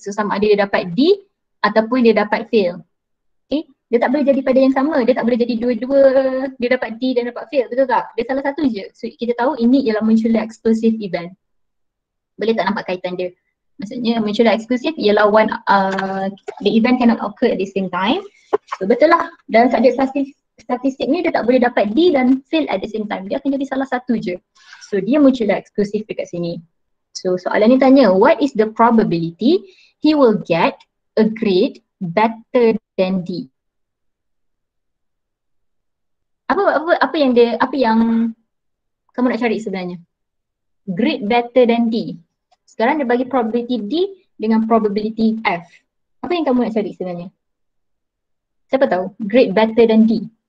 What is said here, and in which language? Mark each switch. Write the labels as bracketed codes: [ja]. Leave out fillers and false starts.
[ms] So sama ada dia dapat D ataupun dia dapat fail. Okay. Dia tak boleh jadi pada yang sama. Dia tak boleh jadi dua-dua. Dia dapat D dan dapat fail. Betul tak? Dia salah satu je. So kita tahu ini ialah mutually exclusive event. Boleh tak nampak kaitan dia? Maksudnya mutually exclusive ialah [en] the event cannot occur at the same time. [ms] So betul lah. Dalam subjek statistik ni dia tak boleh dapat D dan fail [en] at the same time. [ms] Dia akan jadi salah satu je. So dia mutually exclusive dekat sini. So soalan ni tanya, [en] what is the probability he will get a grade better than D? [ms] Apa yang dia, apa yang kamu nak cari sebenarnya? [en] Grade better than D. [ms] Sekarang dia bagi probability D dengan probability F. Apa yang kamu nak cari sebenarnya? Siapa tahu? [en] Grade better than D.